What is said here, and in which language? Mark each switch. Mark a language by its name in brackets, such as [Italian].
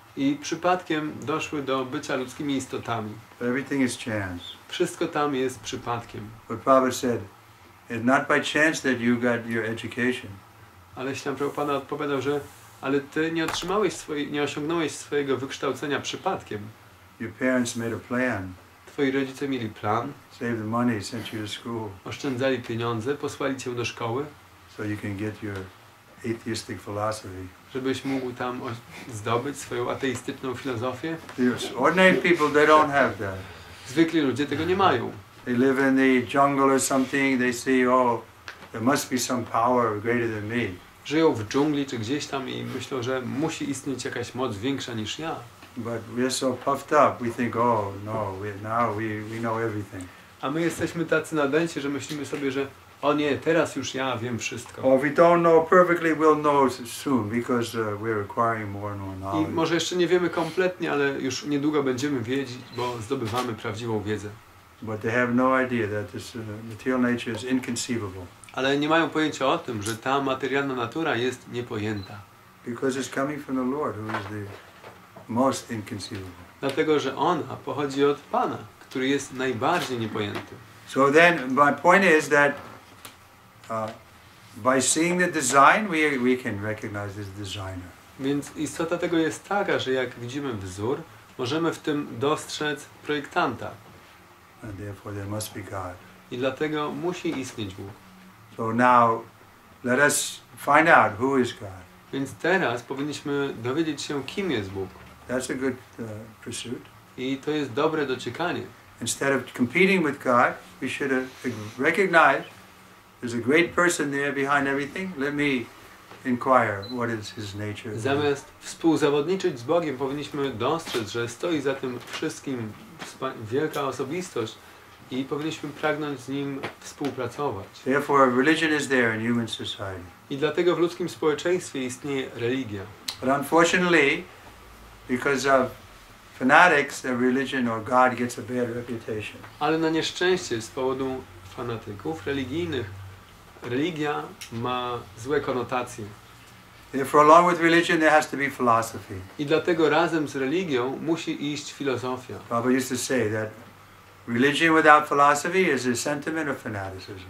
[Polish] I przypadkiem doszły do bycia ludzkimi istotami. [English] But everything is chance. [Polish] Wszystko tam jest przypadkiem. [English] But Prabhupada said, it's not by chance that you got your education. [Polish] Ale Śrila Prabhupada odpowiadał, że ale ty nie osiągnąłeś swojego wykształcenia przypadkiem. [English] Your parents made a plan. [Polish] Twoi rodzice mieli plan. [English] Save the money, sent you to school. [Polish] Oszczędzali pieniądze, posłali cię do szkoły. [English] So you can get your atheistic philosophy. [Polish] Żebyś mógł tam zdobyć swoją ateistyczną filozofię. [English] Yes. Ordinary people, they don't have that. [Polish] Zwykli ludzie tego nie mają. [English] They live in the jungle or something, they see, there must be some power greater than me. [Polish] Żyją w dżungli czy gdzieś tam i myślą, że musi istnieć jakaś moc większa niż ja. [English] But we're so puffed up, we think, now we know everything. [Polish] A my jesteśmy tacy nadęci, że myślimy sobie, że o nie, teraz już ja wiem wszystko. [English] Or we don't know perfectly, we'll know soon, because we're acquiring more and more knowledge. [Polish] I może jeszcze nie wiemy kompletnie, ale już niedługo będziemy wiedzieć, bo zdobywamy prawdziwą wiedzę. [English] But they have no idea that this material nature is inconceivable. [Polish] Ale nie mają pojęcia o tym, że ta materialna natura jest niepojęta. [English] Because it's coming from the Lord, who is the most inconceivable. [Polish] Dlatego, że ona pochodzi od Pana, który jest najbardziej niepojęty. [English] So then my point is that by seeing the design, we can recognize this designer. [Polish] Więc istota tego jest taka, że jak widzimy wzór, możemy w tym dostrzec projektanta. [English] And therefore there must be God. [Polish] I dlatego musi istnieć Bóg. [English] So now, let us find out who is God. [Polish] Więc teraz powinniśmy dowiedzieć się, kim jest Bóg. [English] That's a good pursuit. [Polish] I to jest dobre dociekanie. [English] Instead of competing with God, we should recognize there's a great person there behind everything. Let me inquire what is his nature. [Polish] Zamiast współzawodniczyć z Bogiem, powinniśmy dostrzec, że stoi za tym wszystkim wielka osobistość. I powinniśmy pragnąć z nim współpracować. [English] Therefore, religion is there in human society. [Polish] I dlatego w ludzkim społeczeństwie istnieje religia. [English] But unfortunately, because of fanatics, the religion or God gets a bad reputation. [Polish] Ale na nieszczęście z powodu fanatyków religijnych religia ma złe konotacje. [English] Therefore, along with religion, there has to be philosophy. [Polish] I dlatego razem z religią musi iść filozofia. [English] Prabhupada used to say that. Religion without philosophy is a sentiment of fanaticism.